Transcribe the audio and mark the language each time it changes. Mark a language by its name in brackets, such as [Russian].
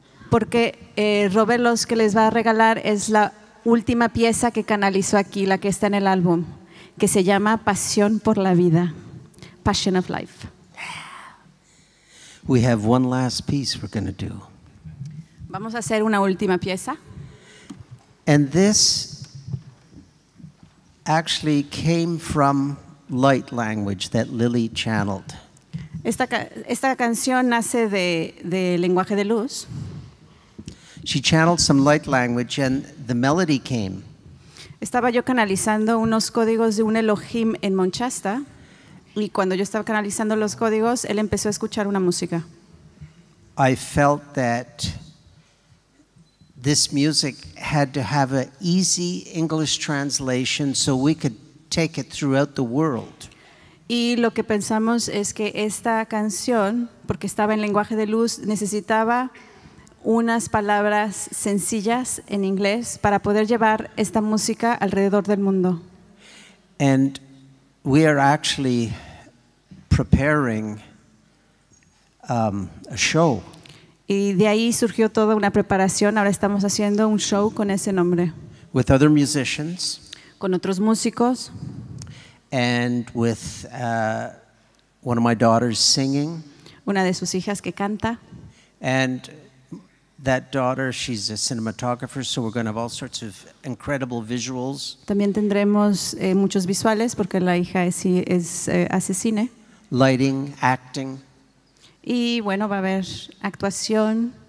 [Spanish] Porque Robert los que les va a regalar es la última pieza que canalizó aquí, la que está en el álbum, que se llama Pasión por la Vida, Passion of Life. [English] We have one last piece we're going to do. [Spanish] Vamos a hacer una última pieza. [English] And this actually came from light language that Lily channeled. [Spanish] Esta canción nace de lenguaje de luz. [English] She channeled some light language and the melody came. [Spanish] Estaba yo canalizando unos códigos de un Elohim en Monchasta y cuando yo estaba canalizando los códigos, él empezó a escuchar una música. [English] I felt that this music had to have an easy English translation so we could take it throughout the world. [Spanish] Y lo que pensamos es que esta canción, porque estaba en lenguaje de luz, necesitaba unas palabras sencillas en inglés para poder llevar esta música alrededor del mundo. [English] And we are actually preparing a show. [Spanish] Y de ahí surgió toda una preparación. Ahora estamos haciendo un show con ese nombre. [English] With other musicians. [Spanish] Con otros músicos. [English] And with one of my daughters singing. [Spanish] Una de sus hijas que canta. [English] And that daughter, she's a cinematographer, so we're going to have all sorts of incredible visuals. [Spanish] También tendremos muchos visuales porque la hija hace cine. [English] Lighting, acting. [Spanish] Y bueno, va a haber actuación.